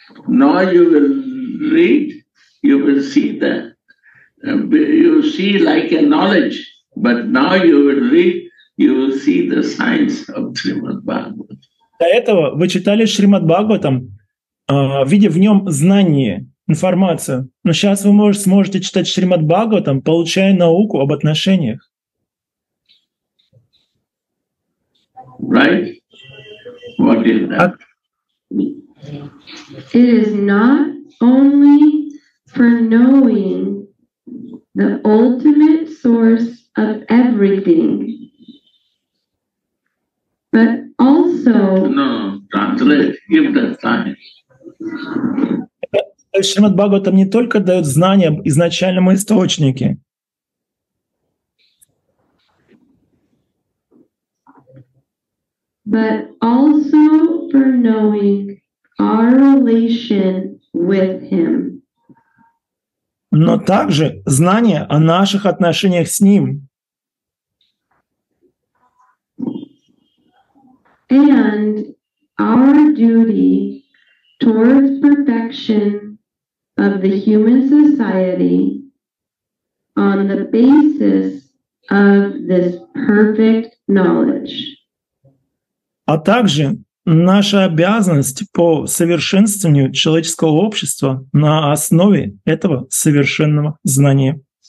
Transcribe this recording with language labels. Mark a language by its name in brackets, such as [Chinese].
[English] Now you will read, you will see that. You see like a knowledge, but now you will read, you will see the science of Srimad Bhagavatam. [Russian] До этого вы читали Шримад Бхагаватам, видя в нем знание, информацию. Но сейчас вы сможете читать Шримад Бхагаватам, получая науку об отношениях. [English] Right? What is that? It is not only for knowing the ultimate source of everything, but also, no, translate, give the science. [Russian] Шримад Бхагаватам не только дает знания об изначальном источнике. [English] But also for knowing our relation with him. [Russian] Но также знание о наших отношениях с ним. [English] And our duty towards perfection of the human society on the basis of this perfect knowledge. [Russian] А также наша обязанность по совершенствованию человеческого общества на основе этого совершенного знания.